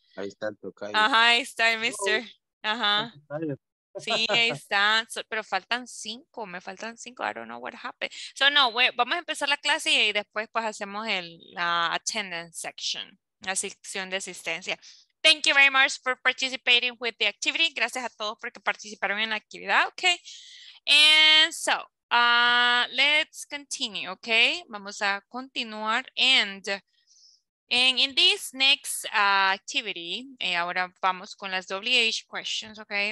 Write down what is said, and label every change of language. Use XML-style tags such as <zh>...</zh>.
<es>Ahí está el tocayo. Ajá, ahí está el mister. Ajá. Sí, ahí está. So, pero faltan 5, me faltan 5.</es> <en>I don't know what happened.</en> <es>So no, vamos a empezar la clase y después pues hacemos la</es> <en>attendance section,</en> <es>la sección de asistencia.</es> <en>Thank you very much for participating with the activity.</en> <es>Gracias a todos porque participaron en la actividad.</es> <en>Okay. And so, let's continue. Okay.</en> <es>Vamos a continuar.</es> <en>And in this next activity,</en> <es>ahora vamos con las WH questions. Okay.</es>